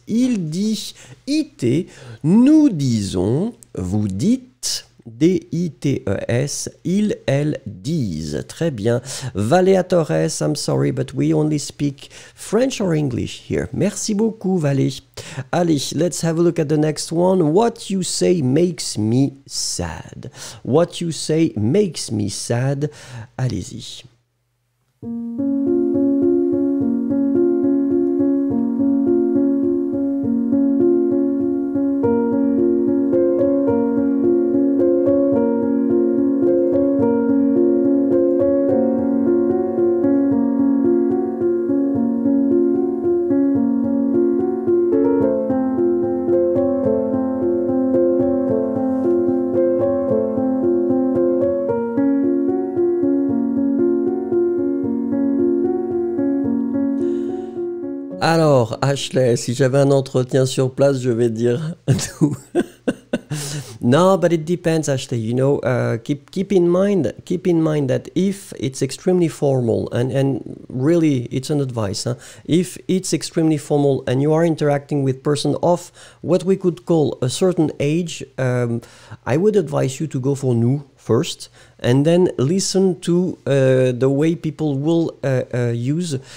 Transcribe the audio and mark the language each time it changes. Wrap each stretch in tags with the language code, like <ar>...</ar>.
<fr>Il dit, I-T. Nous disons, vous dites, D-I-T-E-S, ils, elles disent. Très bien.</fr> <en>Valéa Torres, I'm sorry, but we only speak French or English here.</en> <fr>Merci beaucoup,</fr> <en>Valé. Allez, let's have a look at the next one. What you say makes me sad. What you say makes me sad.</en> <fr>Allez-y. Alors, Ashley, si j'avais un entretien sur place, je vais dire tout.</fr> <en>No, but it depends, Ashley. You know, keep in mind that if it's extremely formal and really it's an advice, huh? If it's extremely formal and you are interacting with person of what we could call a certain age, I would advise you to go for nous first and then listen to the way people will use.</en>